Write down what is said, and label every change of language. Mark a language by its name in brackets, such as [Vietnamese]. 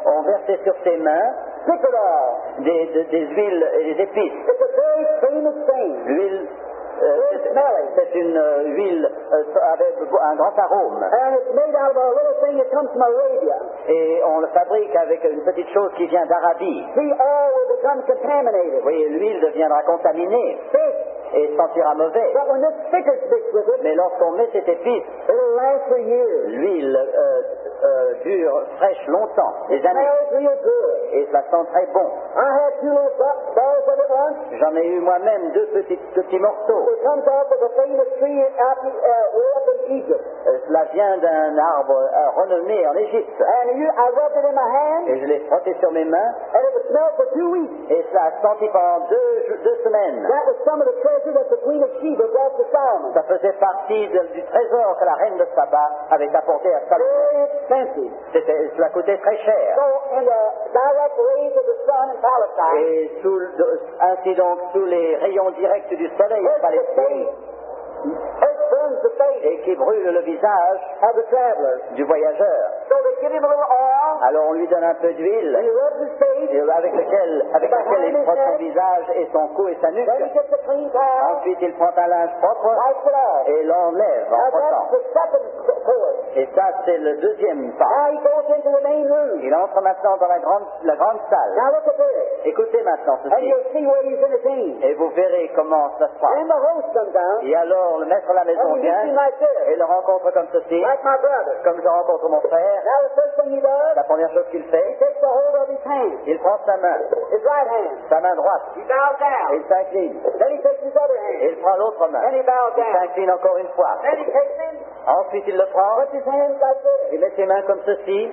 [French] on versait sur ses mains des huiles et des épices. [English] It's a very famous thing. [French] L'huile. C'est une huile avec un grand arôme. [English] And it's made out of a little thing that comes from Arabia. [French] Et on le fabrique avec une petite chose qui vient d'Arabie. [English] The oil will become contaminated. [French] Oui, l'huile deviendra contaminée. [English] Fish. [French] Et sentira mauvais. [English] But when this figure sticks with it, [French] mais lorsqu'on met cette épice, [English] it'll last for years. [French] L'huile dure fraîche longtemps, des années. [English] Real good. [French] Et ça sent très bon. [English] I had two little balls of it once. [French] J'en ai eu moi-même deux petits morceaux. [English] It comes out of a famous tree up in Egypt. [French] Cela vient d'un arbre renommé en Égypte. [English] And I rubbed it in my hand. [French] Et je l'ai frotté sur mes mains. [English] And it smelled for 2 weeks. [French] Et ça a senti pendant deux semaines. [English] That was some of the treasure that the Queen of Sheba brought to Solomon. [French] Ça faisait partie du trésor que la reine de Saba avait apporté à Salomon. [English] Very expensive. [French] Cela coûtait très cher. [English] So in the direct rays of the sun in Palestine. [French] Et ainsi donc sous les rayons directs du soleil. [English] It burns the face, [French] et qui brûle le visage [English] of the traveler, [French] du voyageur. [English] So they give him a little oil, [French] alors on lui donne un peu d'huile, [English] and he rubs his face, [French] et avec lequel il frotte son visage et son cou et sa nuque. [English] Then he gets a clean towel, [French] ensuite il prend un linge propre, [English] wipes it off, [French] et l'enlève en frottant. Et ça, c'est le deuxième pas. [English] Now he goes into the main room. [French] Il entre maintenant dans la grande salle. [English] Now look at this. [French] Écoutez maintenant ceci. [English] And you'll see where he's gonna be. [French] Et vous verrez comment ça se passe. [English] And the host comes down. [French] Et alors, le maître de la maison vient [English] like [French] et le rencontre comme ceci. [English] Like my brother. [French] Comme je rencontre mon frère. [English] Now the first thing he does, [French] la première chose qu'il fait, [English] he takes the hold of his hand. [French] Il prend sa main. [English] His right hand. [French] Sa main droite. [English] He bows down. [French] Il s'incline. [English] Then he takes his other hand. [French] Il prend l'autre main. [English] Then he bows down. [French] Il s'incline encore une fois. [English] Then he takes him. [French] Ensuite, il le prend. [English] Put his hands like this. [French] Il met ses mains comme ceci.